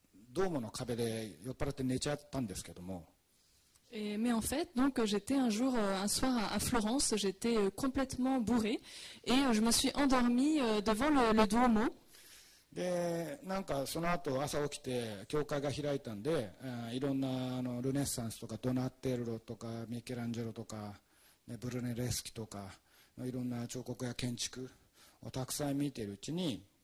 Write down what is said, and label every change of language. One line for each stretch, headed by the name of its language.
Japanese: ドームの壁で酔っ払って寝ちゃったんですけども。
French: mais en fait, donc j'étais un jour, un soir à Florence, j'étais complètement bourré et je me suis endormi devant le Duomo.
Japanese: で、なんかその後朝起きて教会が開いたんで、いろんなあのルネッサンスとかドナッテルロとかミケランジェロとか、ね、ブルネレスキとかのいろんな彫刻や建築をたくさん見ているうちに、